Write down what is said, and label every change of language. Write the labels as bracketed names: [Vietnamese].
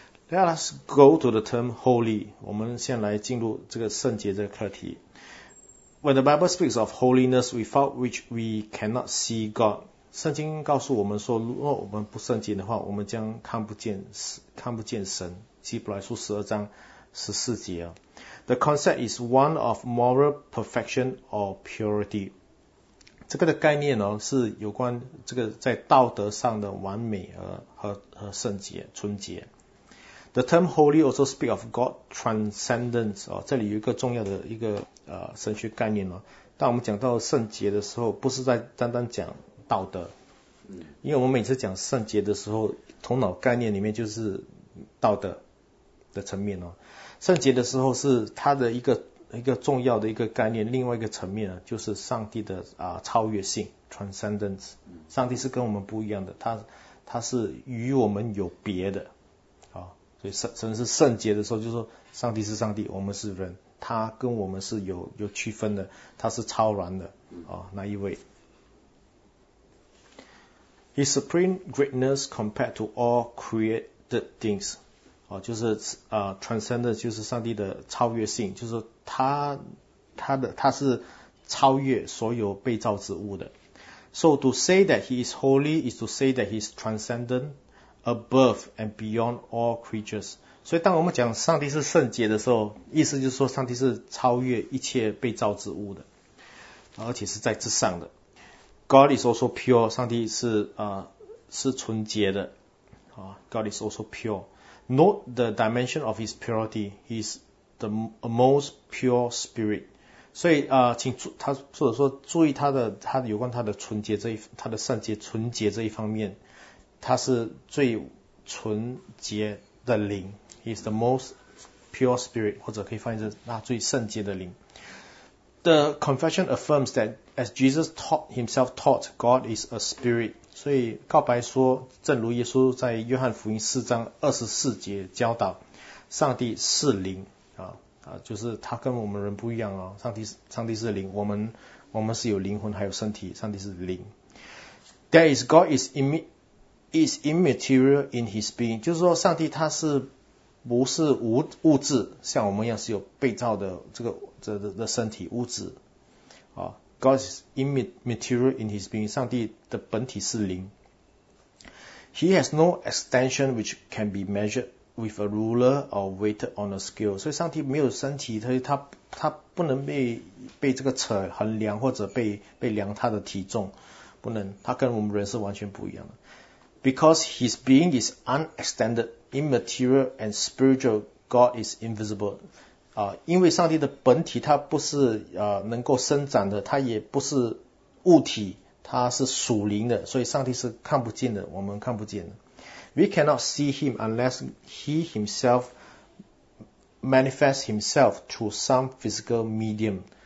[English] Let us go to the term holy. [Chinese] 我们先来进入这个圣洁这个课题。 [English] When the Bible speaks of holiness without which we cannot see God, [Chinese] 圣经告诉我们说，如果我们不圣洁的话，我们将看不见神。希伯来书十二章十四节。 [English] The concept is one of moral perfection or purity. [Chinese] 这个的概念呢，是有关这个在道德上的完美和圣洁、纯洁。 [English] The term holy also speaks of God transcendence. [Chinese] 这里有一个重要的一个神学概念呢。当我们讲到圣洁的时候，不是在单单讲道德，因为我们每次讲圣洁的时候，头脑概念里面就是道德的层面哦。圣洁的时候是它的一个重要的一个概念，另外一个层面呢，就是上帝的超越性 （transcendence）。上帝是跟我们不一样的，他是与我们有别的。所以神是圣洁的时候，就是说上帝是上帝，我们是人，他跟我们是有区分的，他是超然的那一位。 [English] His supreme greatness compared to all created things. [Chinese] 就是transcendence, 就是上帝的超越性，就是他是超越所有被造之物的。 [English] So to say that he is holy is to say that he is transcendent, above and beyond all creatures. [Chinese] 所以当我们讲上帝是圣洁的时候，意思就是说上帝是超越一切被造之物的，而且是在之上的。 [English] God is also pure, [Chinese] 上帝是纯洁的。 [English] God is also pure. Note the dimension of his purity. He is the most pure spirit. [Chinese] 所以请他或者说注意他有关他的纯洁这一他的圣洁纯洁这一方面，他是最纯洁的灵。 [English] He is the most pure spirit, [Chinese] 或者可以翻译成那最圣洁的灵。 [English] The confession affirms that as Jesus himself taught, God is a spirit. [Chinese] 所以告白说，正如耶稣在约翰福音四章二十四节教导，上帝是灵就是他跟我们人不一样上帝是灵，我们是有灵魂还有身体，上帝是灵。 [English] That is God is immaterial in his being. [Chinese] 就是说上帝他是不是无物质，像我们一样是有被造的这个身体物质 [English] God is immaterial in his being. [Chinese] 上帝的本体是零。 [English] He has no extension which can be measured with a ruler or weighted on a scale. [Chinese] 所以上帝没有身体，他不能被这个尺衡量，或者被量他的体重，不能。他跟我们人是完全不一样的。 [English] Because his being is unextended, immaterial and spiritual, God is invisible. [Chinese] 因为上帝的本体它不是能够伸展的，它也不是物体，它是属灵的，所以上帝是看不见的，我们看不见的。 [English] We cannot see him unless he himself manifests himself through some physical medium.